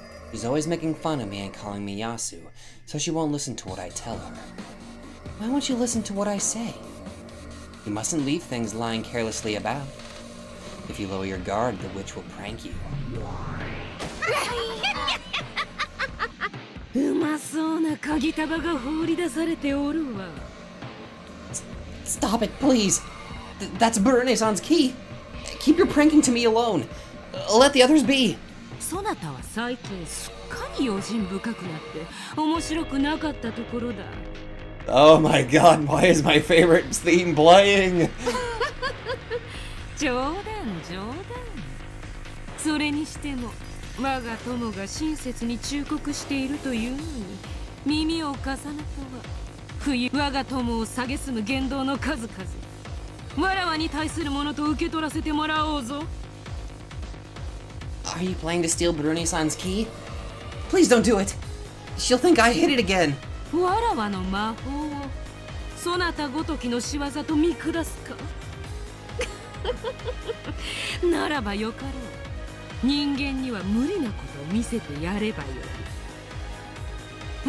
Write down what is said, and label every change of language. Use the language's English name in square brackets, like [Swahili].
[English] She's always making fun of me and calling me Yasu, so she won't listen to what I tell her. Why won't she listen to what I say? You mustn't leave things lying carelessly about. If you lower your guard, the witch will prank you. [Japanese] うまそうな鍵束が放り出されておるわ。 [English] Stop it, please! That's Burne-san's key! Keep your pranking to me alone! Let the others be! [Japanese] そなたは最近すっかり用心深くなって面白くなかったところだ。 [English] Oh my god, why is my favorite theme playing? [Japanese] 冗談冗談。それにしても我が友が親切に忠告しているというのに耳を貸さぬとは。冬我が友を蔑む言動の数々、わらわに対するものと受け取らせてもらおうぞ。 [English] Are you planning to steal Brune-san's key? Please don't do it! She'll think I hid it again! [Japanese] わらわの魔法をそなたごときの仕業と見下すか。ならばよかろう。人間には無理なことを見せてやればよい。